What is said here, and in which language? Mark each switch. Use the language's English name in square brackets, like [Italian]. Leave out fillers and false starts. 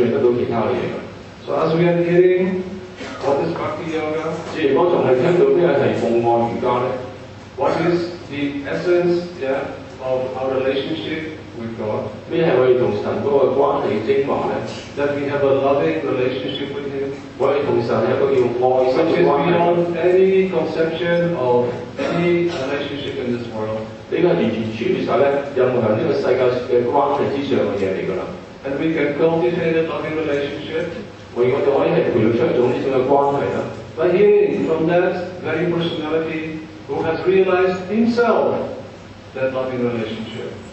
[English] So as we are hearing what is Bhakti Yoga, [Chinese] 即是我们听到这个是奉爱瑜伽呢, [English] what is the essence of our relationship with God? [Chinese] 什么是我们与神的关系精华呢? [English] That we have a loving relationship with Him, [Chinese] 我们与神有一个用爱心的关系, [English] which is beyond any conception of any relationship in this world. [Chinese] 这个是完全超越了任何人这个世界的关系之上的东西来的。 [English] And we can cultivate a loving relationship. [Chinese] 我们可以培养出一种这样的关系呢? [English] By hearing from that very personality who has realized himself that loving relationship.